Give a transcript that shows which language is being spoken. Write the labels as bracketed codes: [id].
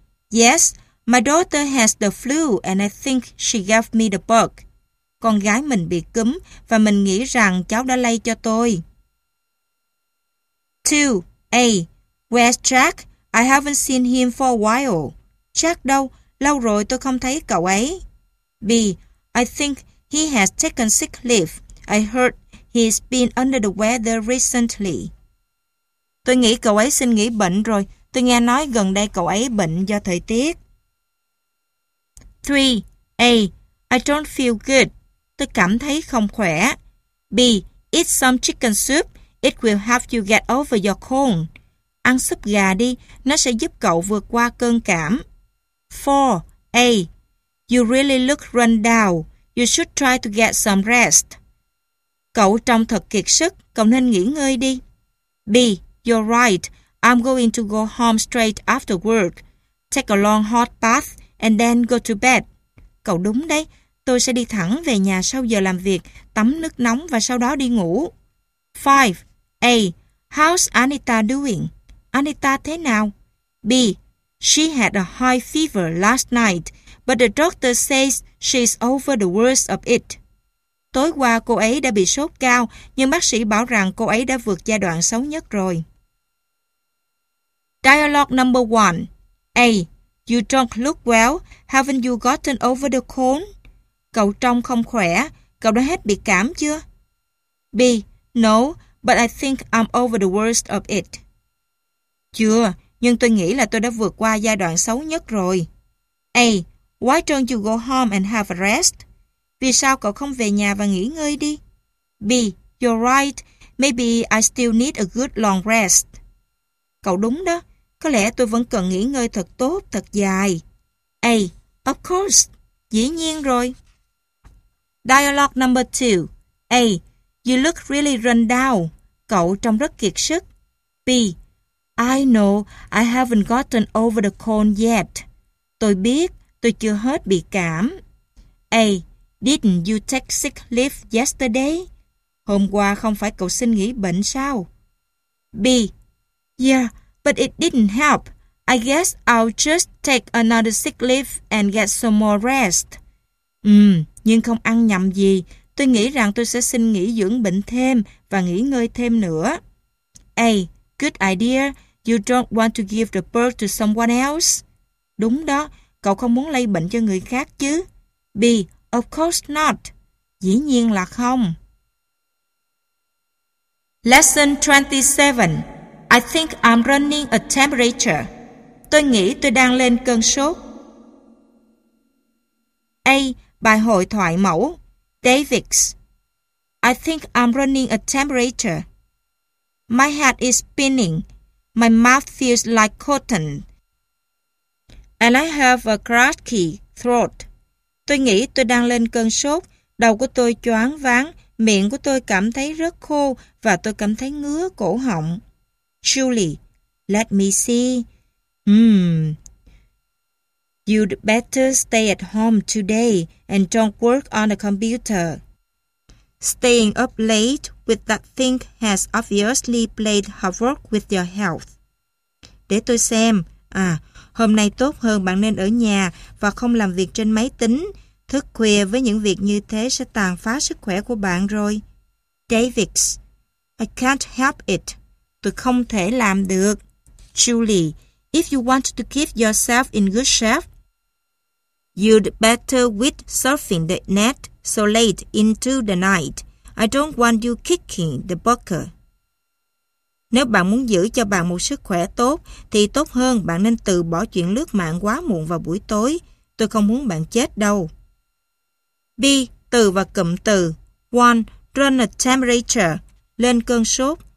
[en] Yes, my daughter has the flu and I think she gave me the bug. [vi] Con gái mình bị cúm và mình nghĩ rằng cháu đã lây cho tôi. [en] 2. A. Where's Jack? I haven't seen him for a while. [vi] Jack đâu? Lâu rồi tôi không thấy cậu ấy. [en] B. I think he has taken sick leave. I heard he's been under the weather recently. [vi] Tôi nghĩ cậu ấy xin nghỉ bệnh rồi. Tôi nghe nói gần đây cậu ấy bệnh do thời tiết. [en] 3. A. I don't feel good. [vi] Tôi cảm thấy không khỏe. [en] B. Eat some chicken soup. It will help you get over your cold. [vi] Ăn súp gà đi, nó sẽ giúp cậu vượt qua cơn cảm. [en] 4. A. You really look run down. You should try to get some rest. [vi] Cậu trông thật kiệt sức, cậu nên nghỉ ngơi đi. [en] B. You're right. I'm going to go home straight after work. Take a long hot bath and then go to bed. [vi] Cậu đúng đấy. Tôi sẽ đi thẳng về nhà sau giờ làm việc, tắm nước nóng và sau đó đi ngủ. [en] 5. A. How's Anita doing? [vi] Anita thế nào? [en] B. She had a high fever last night, but the doctor says she's over the worst of it. [vi] Tối qua cô ấy đã bị sốt cao, nhưng bác sĩ bảo rằng cô ấy đã vượt giai đoạn xấu nhất rồi. [en] Dialogue number 1. A. You don't look well. Haven't you gotten over the cold? [vi] Cậu trông không khỏe. Cậu đã hết bị cảm chưa? [en] B. No, but I think I'm over the worst of it. [vi] Chưa, nhưng tôi nghĩ là tôi đã vượt qua giai đoạn xấu nhất rồi. [en] A. Why don't you go home and have a rest? [vi] Vì sao cậu không về nhà và nghỉ ngơi đi? [en] B. You're right. Maybe I still need a good long rest. [vi] Cậu đúng đó. Có lẽ tôi vẫn cần nghỉ ngơi thật tốt, thật dài. [en] A. Of course. [vi] Dĩ nhiên rồi. [en] Dialogue number 2. A. You look really run down. [vi] Cậu trông rất kiệt sức. [en] B. I know I haven't gotten over the cold yet. [vi] Tôi biết tôi chưa hết bị cảm. [en] A. Didn't you take sick leave yesterday? [vi] Hôm qua không phải cậu xin nghỉ bệnh sao? [en] B. Yeah, but it didn't help. I guess I'll just take another sick leave and get some more rest. [vi] Nhưng không ăn nhầm gì. Tôi nghĩ rằng tôi sẽ xin nghỉ dưỡng bệnh thêm và nghỉ ngơi thêm nữa. [en] A. Good idea. You don't want to give the bird to someone else. [vi] Đúng đó. Cậu không muốn lây bệnh cho người khác chứ. [en] B. Of course not. [vi] Dĩ nhiên là không. [en] Lesson 27. I think I'm running a temperature. [vi] Tôi nghĩ tôi đang lên cơn sốt. [en] A. [vi] Bài hội thoại mẫu. [en] David's. I think I'm running a temperature. My head is spinning. My mouth feels like cotton. And I have a cracky throat. [vi] Tôi nghĩ tôi đang lên cơn sốt. Đầu của tôi choáng váng. Miệng của tôi cảm thấy rất khô và tôi cảm thấy ngứa cổ họng. [en] Julie, let me see. You'd better stay at home today and don't work on a computer. Staying up late with that thing has obviously played havoc with your health. [vi] Để tôi xem. À, hôm nay tốt hơn bạn nên ở nhà và không làm việc trên máy tính. Thức khuya với những việc như thế sẽ tàn phá sức khỏe của bạn rồi. [en] David, I can't help it. [vi] Tôi không thể làm được. [en] Julie, if you want to keep yourself in good shape, you'd better quit surfing the net so late into the night. I don't want you kicking the bucket. [vi] Nếu bạn muốn giữ cho bạn một sức khỏe tốt, thì tốt hơn bạn nên từ bỏ chuyện lướt mạng quá muộn vào buổi tối. Tôi không muốn bạn chết đâu. B. Từ và cụm từ. 1. [en] Run a temperature. [vi] Lên cơn sốt.